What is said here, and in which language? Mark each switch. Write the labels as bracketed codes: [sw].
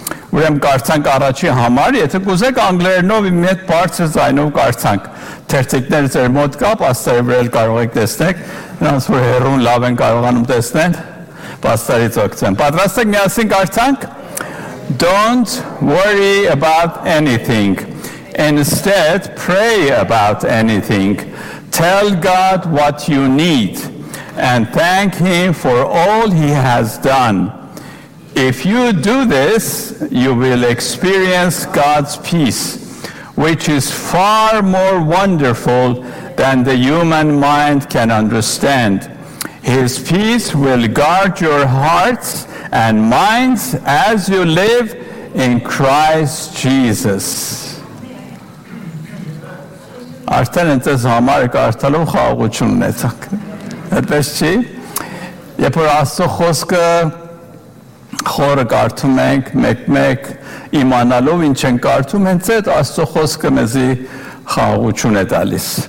[hy] Ուրեմն կարցանք առաջի համար, եթե կուզեք անգլերենով իմ հետ բարձր ձայնով կարցանք, թերթիկները ձեր մոտ կա, պաստարի վրա կարող եք տեսնեք, նրանց, որ հեռուն լավ են կարողանում տեսնել, պաստարից օգնեմ։ Պատրաստ եք միասին կարցանք։ [en] Don't worry about anything. Instead, pray about anything. Tell God what you need and thank Him for all He has done. If you do this, you will experience God's peace, which is far more wonderful than the human mind can understand. His peace will guard your hearts and minds as you live in Christ Jesus. [hy] Արդեն ընդեզ համար կարդալով խաղաղություն ունեցանք, այդպես չի։ Եթե որ Աստծո խոսքը խորը կարդում ենք մեկ-մեկ, իմանալով ինչ են կարդում, հենց այդ Աստծո խոսքը մեզի խաղաղություն է տալիս։